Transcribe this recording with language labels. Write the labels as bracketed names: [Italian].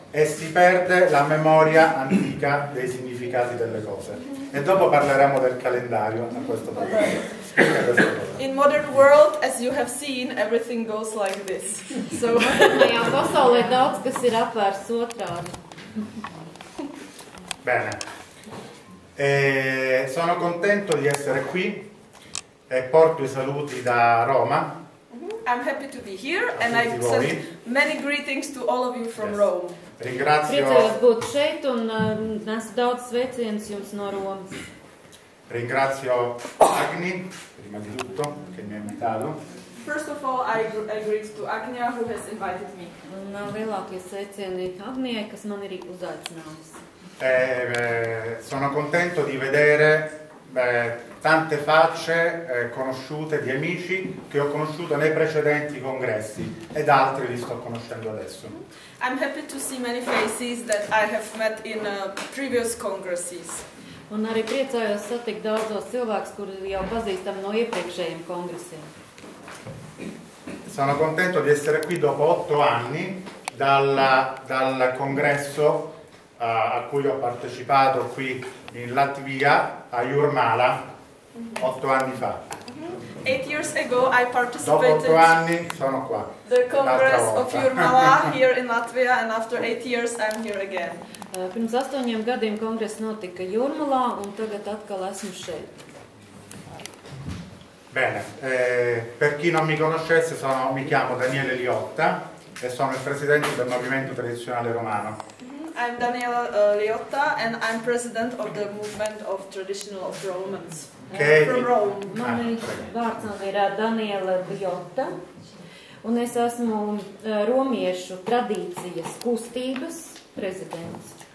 [Italian] E si perde la memoria antica dei significati delle cose. E dopo parleremo del calendario a questo punto. [English] In modern world, as you have seen, everything goes like this. So [Latvian] pasaulē daudz kas ir apvērs otrādi. [Italian] Bene. E sono contento di essere qui. E porto i saluti da Roma. [English] I'm happy to be here and I send many greetings to all of you from Rome. [Italian] Ringrazio [Latvian] būt šeit un nesu daudz sveicienus jums no Romas. [Italian] Ringrazio Agni, prima di tutto, che mi ha invitato. [English] First of all, I greet to Agnia, who has invited me. [Latvian] Un lielākie sveicieni Agnijai, kas man ir uzaicinājusi. [Italian] Sono contento di vedere tante facce conosciute di amici che ho conosciuto nei precedenti congressi ed altri li sto conoscendo adesso. [English] I'm happy to see many faces that I have met in previous congresses. [Latvian] Un arī priecājos satikt daudzos cilvēkus, kurus jau pazīstam no iepriekšējiem kongresiem. [Italian] Sono contento di essere qui dopo 8 anni. dal congresso a cui ho partecipato qui in Latvia, a Jurmala, 8 anni fa. Mm-hmm. [English] 8 years ago I participated. [Italian] Dopo 8 anni sono qua. [English] The congress of Jurmala here in Latvia, and after 8 years I'm here again. [Latvian] Pirms 8 gadiem kongress notika Jurmalā, un tagad atkal esmu šeit. [Italian] Bene, per chi non mi conoscesse, mi chiamo Daniele Liotta e sono il presidente del Movimento Tradizionale Romano. Mm-hmm. [English] I'm Daniele Liotta and I'm president of the Movement of Traditional of Romans. Okay. From Rome. [Latvian] Mani vārds ir Daniele Liotta, un es esmu romiešu tradīcijas kustības prezidents.